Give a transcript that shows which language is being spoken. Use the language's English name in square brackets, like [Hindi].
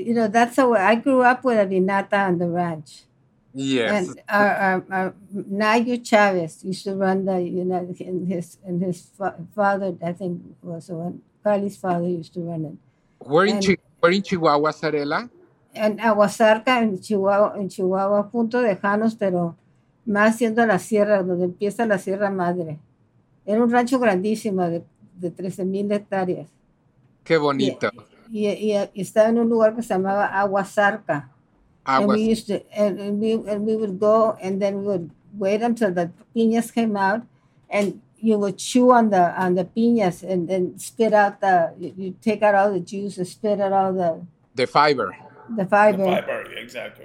[English] That's the way I grew up with a vinata on the ranch. Yes. And our Nayu Chavez used to run the, you know, and his father, I think, was the one. Carly's father used to run it. Where in Chihuahua, Sarela? [Spanish] And Aguasarca, in Chihuahua, Punto de Janos, pero más siendo la sierra, donde empieza la Sierra Madre. Era un rancho grandísimo de 13,000 hectáreas. Qué bonito. Y estaba en un lugar que se llamaba Aguasarca. [English] And we would go, and then we would wait until the piñas came out, and you would chew on the piñas, and then spit out the, you take out all the juice and spit out all the... The fiber, exactly.